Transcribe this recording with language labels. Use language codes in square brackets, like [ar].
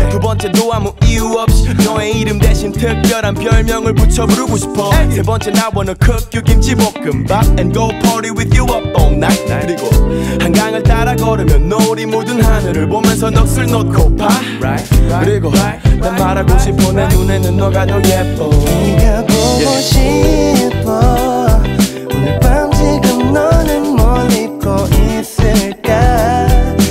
[ko] 두 번째도 아무 이유 없이 너의 이름 대신 특별한 별명을 붙여 부르고 싶어. 세 번째 [en] I wanna cook you 김치볶음밥 and go party with you up all night. [ko] 그리고 한강을 따라 걸으면 노을이 묻은 하늘을 보면서 넋을 놓고 봐. 그리고 난 말하고 싶어 내 눈에는 너가 더 예뻐. 네가 보고 싶어. 오늘 밤 지금 너는 뭘 입고 있을까?